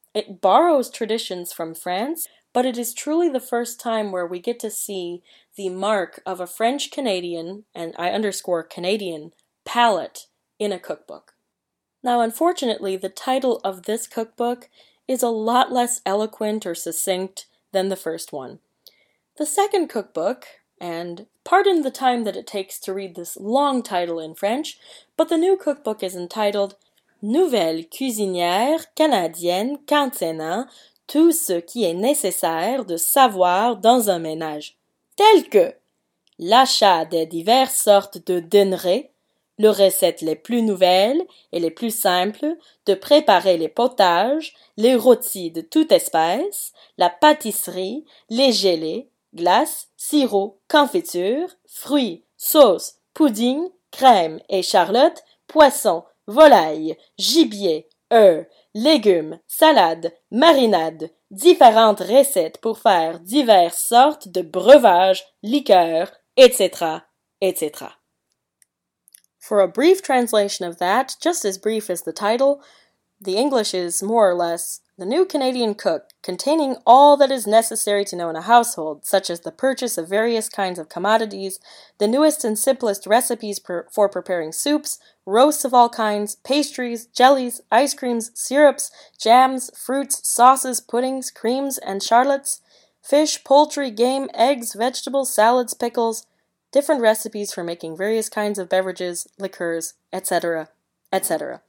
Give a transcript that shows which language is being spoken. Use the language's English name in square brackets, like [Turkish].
[English] It borrows traditions from France, but it is truly the first time where we get to see the mark of a French-Canadian, and I underscore Canadian, palate in a cookbook. Now, unfortunately, the title of this cookbook is a lot less eloquent or succinct than the first one. The second cookbook, and pardon the time that it takes to read this long title in French, but the new cookbook is entitled [French] Nouvelle cuisinière canadienne contenant tout ce qui est nécessaire de savoir dans un ménage, tel que l'achat des diverses sortes de denrées, les recettes les plus nouvelles et les plus simples, de préparer les potages, les rôtis de toute espèce, la pâtisserie, les gelées, glaces, sirops, confitures, fruits, sauces, pudding, crème et charlotte, poissons, volailles, gibier, œufs, légumes, salades, marinades, différentes recettes pour faire diverses sortes de breuvages, liqueurs, etc., etc. [English] For a brief translation of that, just as brief as the title, the English is more or less The New Canadian Cook, containing all that is necessary to know in a household, such as the purchase of various kinds of commodities, the newest and simplest recipes for preparing soups, roasts of all kinds, pastries, jellies, ice creams, syrups, jams, fruits, sauces, puddings, creams, and charlottes, fish, poultry, game, eggs, vegetables, salads, pickles, different recipes for making various kinds of beverages, liqueurs, etc., etc.